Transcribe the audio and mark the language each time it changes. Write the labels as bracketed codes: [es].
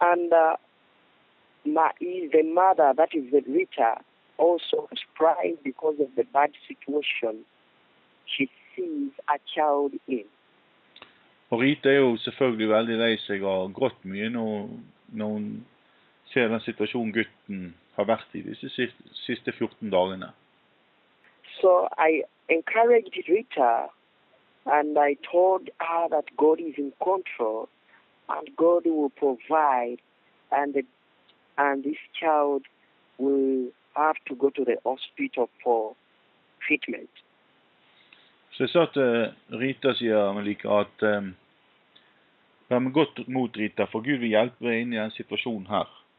[en] The mother, that is the Rita, also is crying because of the bad situation she sees a child in. [no] Og Rita er jo selvfølgelig veldig lei seg og grått mye når hun ser den situasjonen gutten har vært i disse siste 14 dagene. [en] So I encouraged Rita and I told her that God is in control and God will provide and this child will have to go to the hospital for treatment. [no] Så jeg sa til Rita, sier Melika, at vær med godt mot Rita, for Gud vil hjelpe deg inn i denne situasjonen her.